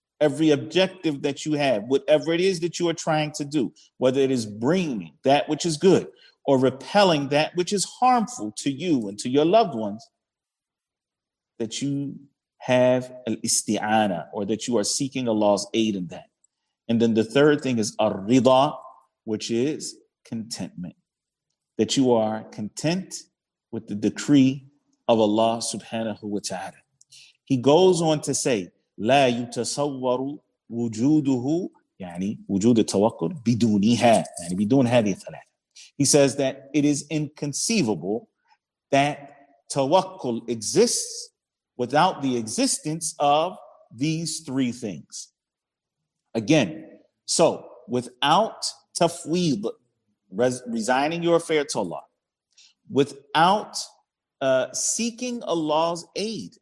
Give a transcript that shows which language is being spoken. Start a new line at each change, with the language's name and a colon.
English: every objective that you have, whatever it is that you are trying to do, whether it is bringing that which is good or repelling that which is harmful to you and to your loved ones, that you have al-isti'ana, or that you are seeking Allah's aid in that. And then the third thing is ar-ridha, which is contentment. That you are content with the decree of Allah subhanahu wa ta'ala. He goes on to say,
Arabic: لَا يُتَصَوَّرُ وُجُودُهُ يعني وجود التوكل بدونها يعني بدون هذه الثلاثة.
English: He says that it is inconceivable that tawakkul exists without the existence of these three things. Again, so without tafweed, resigning your affair to Allah, without seeking Allah's aid.